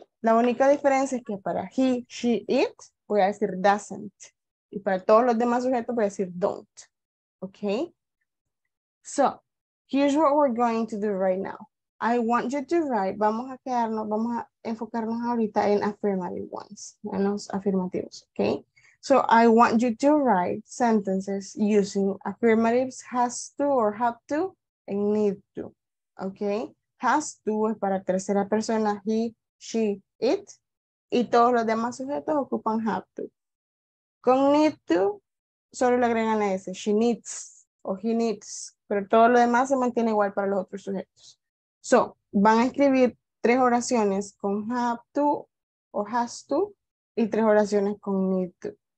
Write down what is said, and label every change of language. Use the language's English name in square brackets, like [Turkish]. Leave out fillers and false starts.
[Spanish] La única diferencia es que para he, she, it, voy a decir doesn't. Y para todos los demás sujetos voy a decir don't. Okay? [English] So, here's what we're going to do right now. I want you to write, [Spanish] vamos a enfocarnos ahorita en affirmative ones, en los afirmativos, [English] okay? So, I want you to write sentences using affirmatives, has to or have to, and need to, okay? [Spanish] Has to es para tercera persona, he, she, it, y todos los demás sujetos ocupan have to. Con need to, solo le agregan a ese, she needs o he needs, pero todo lo demás se mantiene igual para los otros sujetos. So, van a escribir tres oraciones con have to o has to y tres oraciones con need to.